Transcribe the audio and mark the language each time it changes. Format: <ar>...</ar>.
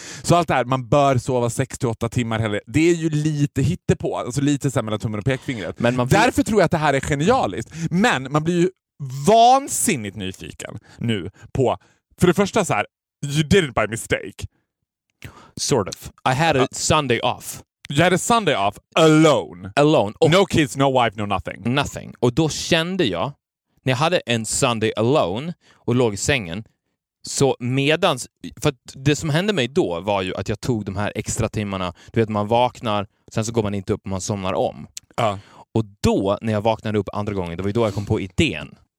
<sv>Så allt det här, man bör sova 6-8 timmar heller, det är ju lite hittepå, alltså lite så här mellan tummen och pekfingret. Men därför tror jag att det här är genialiskt. Men man blir ju vansinnigt nyfiken nu på, för det första så här,</sv> <en>you did it by mistake. Sort of. I had a Sunday off. You had a Sunday off alone. Alone. Oh. No kids, no wife, no nothing. Nothing.</en> <sv>Och då kände jag, när jag hade en Sunday alone och låg i sängen, så medans, för det som hände mig då var ju att jag tog de här extra timmarna. Du vet, man vaknar, sen så går man inte upp och man somnar om. Och då, när jag vaknade upp andra gången, det var ju då jag kom på idén.</sv>